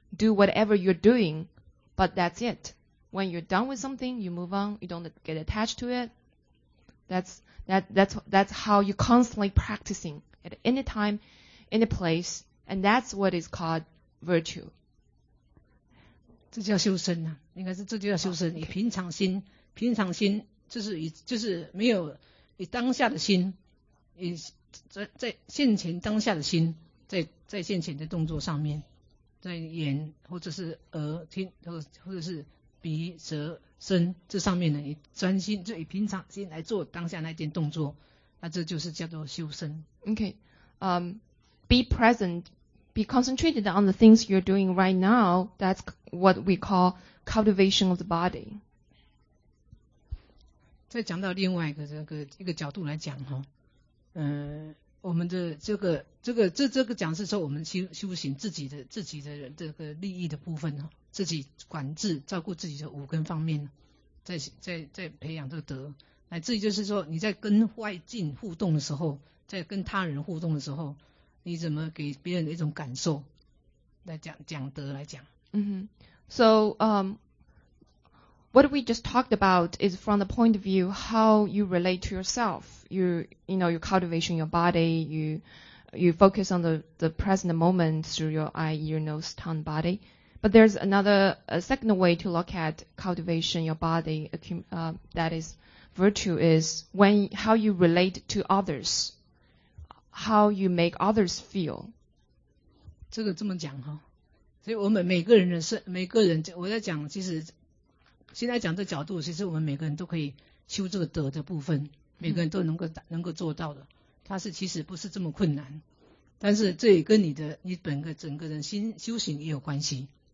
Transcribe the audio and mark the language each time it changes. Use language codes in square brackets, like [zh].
[en] Do whatever you're doing, but that's it. When you're done with something, you move on. You don't get attached to it. That's how you constantly practicing at any time, any place, and that's what is called virtue. [zh] 这叫修身啊，应该是这就叫修身。以平常心，平常心就是没有以当下的心，以在现前当下的心，在现前的动作上面，在眼或者是耳听，或者是鼻舌。身这上面呢，你专心就以平常心来做当下那件动作，那这就是叫做修身。 [en] Okay, be present, be concentrated on the things you're doing right now. That's what we call cultivation of the body. [zh] 再讲到另外一个角度来讲哈，我们的这个讲是说我们修行自己的这个利益的部分哈。自己管制照顾自己的五根方面，在培养这个德，乃至于就是说你在跟外境互动的时候，在跟他人互动的时候，你怎么给别人的一种感受来讲德来讲。 [en] So what we just talked about is from the point of view how you relate to yourself. You know you cultivation your body, you focus on the present moment through your eye, ear, nose, tongue, body. But there's a second way to look at cultivation, your body, that is virtue, is how you relate to others, how you make others feel. [zh] 这么讲哈，所以我们每个人的每个人，我在讲，其实现在讲这角度，其实我们每个人都可以修这个德的部分，每个人都能够做到的。它是其实不是这么困难，但是这也跟你本个整个人心修行也有关系。